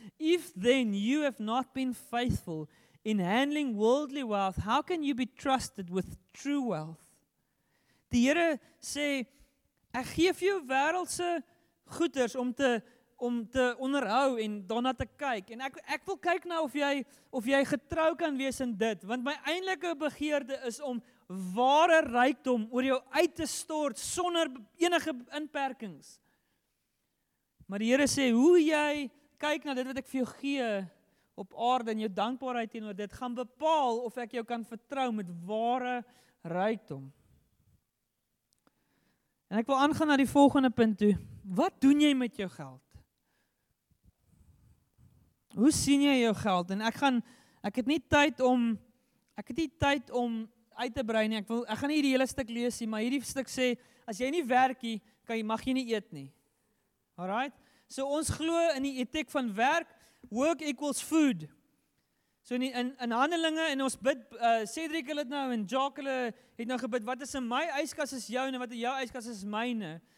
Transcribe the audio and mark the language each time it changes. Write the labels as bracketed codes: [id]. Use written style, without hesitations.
[en] If then you have not been faithful in handling worldly wealth, how can you be trusted with true wealth? [af] Die Here sê, ek gee vir jou wêreldse goeders om te onderhou en daarna te kyk. En ek wil kyk na of jy getrou kan wees in dit, want my eintlike begeerte is om ware rykdom oor jou uit te stort sonder enige inperkings. Maar die Here sê, hoe jy kyk na dit wat ek vir jou gee op aarde en jou dankbaarheid teenoor dit, gaan bepaal of ek jou kan vertrou met ware rykdom. En ek wil aangaan na die volgende punt toe. Wat doen jy met jou geld? Hoe sien jy jou geld? En ek het nie tyd om uit te brei nie. Ek gaan nie die hele stuk lees nie, maar hierdie stuk sê, as jy nie werk nie, mag jy nie eet nie. Alright? So ons glo in die etiek van werk, [en] work equals food. [af] So in Handelinge, en ons bid, Cedric hulle het nou, en Jacques hulle het nou gebid, wat is in my yskas is jou, en wat in jou yskas is myne.